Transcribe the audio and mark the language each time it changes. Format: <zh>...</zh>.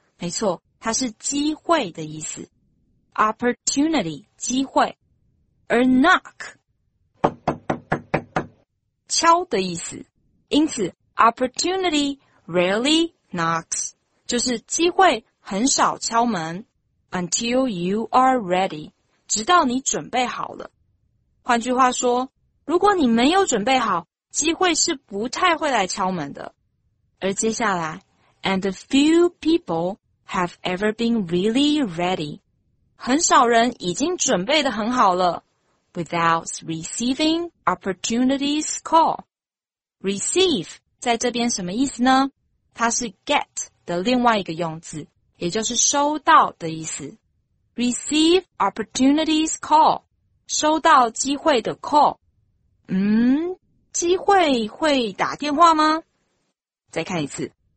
<zh>没错，它是机会的意思 opportunity， 机会，而 knock 敲的意思，因此</zh> <en>opportunity rarely knocks</en> <zh>就是机会很少敲门，</zh> <en>until you are ready，</en> <zh>直到你准备好了。换句话说，如果你没有准备好，机会是不太会来敲门的。而接下来</zh> <en>and few people have ever been really ready，</en> <zh>很少人已经准备得很好了，</zh> <en>without receiving opportunity's call。</en> <zh>receive 在这边什么意思呢？它是 get 的另外一个用字，也就是收到的意思。</zh> <en>receive opportunity's call，</en> <zh>收到机会的 call。机会会打电话吗？再看一次。</zh>